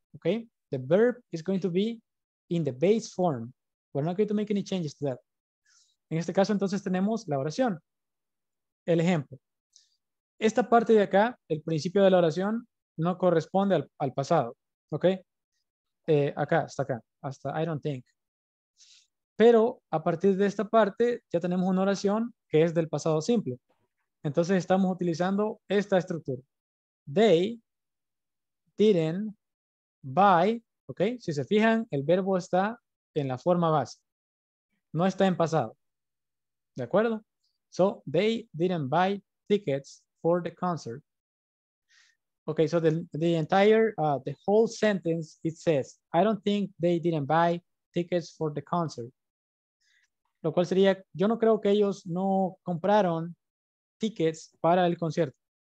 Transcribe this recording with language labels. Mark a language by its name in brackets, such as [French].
[English] Ok, the verb is going to be in the base form. We're not going to make any changes to that. [Spanish] En este caso, entonces, tenemos la oración. El ejemplo. Esta parte de acá, el principio de la oración, no corresponde al pasado. Ok. Hasta [English] I don't think. [Spanish] Pero a partir de esta parte ya tenemos una oración que es del pasado simple. Entonces estamos utilizando esta estructura. [English] They didn't buy, [Spanish] ok. Si se fijan, el verbo está en la forma base. No está en pasado. ¿De acuerdo? [English] So they didn't buy tickets for the concert. Ok, so the entire, the whole sentence, it says, I don't think they didn't buy tickets for the concert. [Spanish] Lo cual sería, yo no creo que ellos no compraron tickets para el concierto.